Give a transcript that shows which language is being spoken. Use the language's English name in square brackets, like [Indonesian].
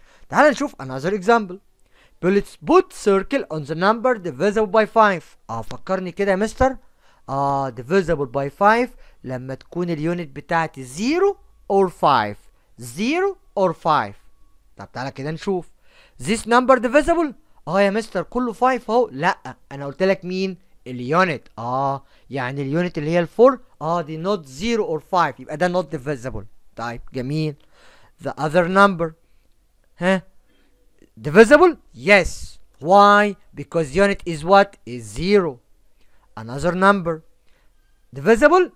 [English] تعال نشوف another example. Bullets put circle on the number divisible by 5. [Arabic] فكرني كده يا مستر. [English] divisible by 5 [Arabic] لما تكون اليونت بتاعتي 0 or 5. 0 or 5. طب تعالى كده نشوف. [English] This number divisible؟ [Arabic] يا مستر كله 5 اهو. لا، انا قلت لك مين؟ اليونت. يعني اليونت اللي هي ال 4. [English] دي not 0 or 5، [Arabic] يبقى ده [English] not divisible. [Arabic] طيب جميل. [English] The other number divisible؟ Yes. Why? Because unit is what? Is 0. Another number divisible?